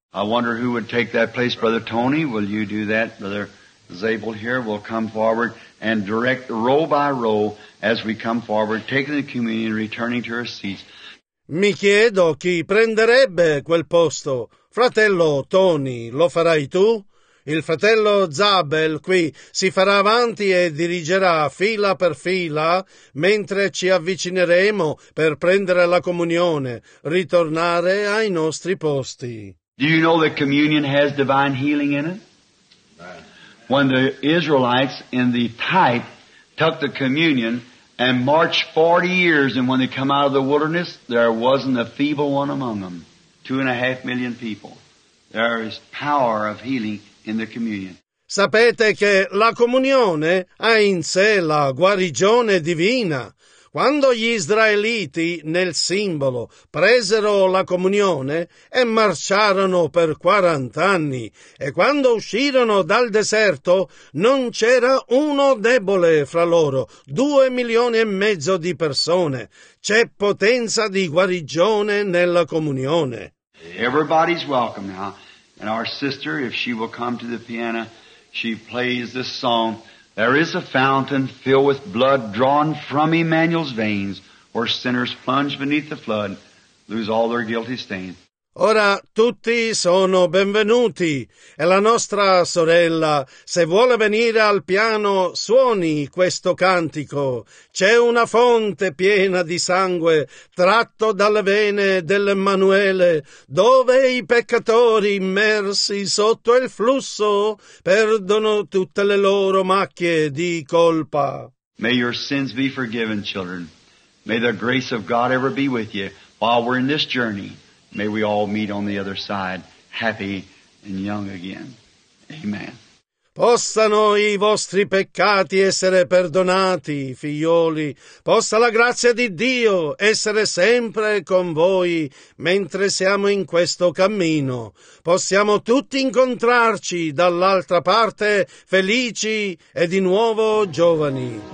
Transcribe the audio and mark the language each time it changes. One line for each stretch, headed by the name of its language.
English: I wonder who would take that place, Brother Tony. Will you do that, Brother Zabel here will come forward and direct row by row as we come forward, taking the communion, returning to our seats.
Italian: Mi chiedo chi prenderebbe quel posto. Fratello Tony, lo farai tu? Il fratello Zabel qui si farà avanti e dirigerà fila per fila mentre ci avvicineremo per prendere la comunione, ritornare ai nostri posti.
English: Do you know that communion has divine healing in it? When the Israelites in the type took the communion and marched 40 years, and when they come out of the wilderness, there wasn't a feeble one among them. 2.5 million people. There is power of healing in the communion.
Italian: Sapete che la comunione ha in sé la guarigione divina. Quando gli Israeliti nel simbolo presero la comunione e marciarono per 40 anni, e quando uscirono dal deserto non c'era uno debole fra loro, 2.5 milioni di persone. C'è potenza di guarigione nella comunione.
English: Everybody's welcome now. And our sister, if she will come to the piano, she plays this song. There is a fountain filled with blood drawn from Emmanuel's veins, where sinners plunge beneath the flood, lose all their guilty stains.
Italian: Ora tutti sono benvenuti, e la nostra sorella, se vuole venire al piano, suoni questo cantico. C'è una fonte piena di sangue, tratto dalle vene dell'Emmanuele, dove i peccatori immersi sotto il flusso perdono tutte le loro macchie di colpa.
English: May your sins be forgiven, children. May the grace of God ever be with you while we're in this journey. May we all meet on the other side, happy and young again. Amen.
Italian: Possano i vostri peccati essere perdonati, figlioli. Possa la grazia di Dio essere sempre con voi mentre siamo in questo cammino. Possiamo tutti incontrarci dall'altra parte, felici e di nuovo giovani.